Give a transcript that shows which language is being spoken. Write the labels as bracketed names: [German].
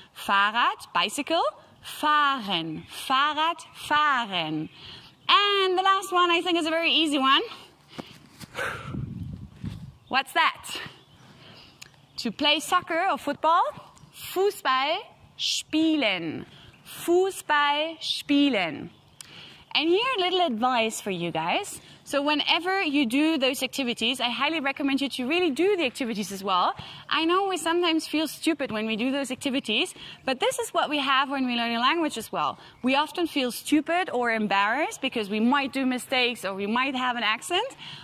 [German] Fahrrad, [English] bicycle, [German] fahren. Fahrrad fahren. [English] And the last one I think is a very easy one. What's that? To play soccer or football, [German] Fußball spielen. Fußball spielen. [English] And here a little advice for you guys. So whenever you do those activities, I highly recommend you to really do the activities as well. I know we sometimes feel stupid when we do those activities, but this is what we have when we learn a language as well. We often feel stupid or embarrassed because we might do mistakes or we might have an accent.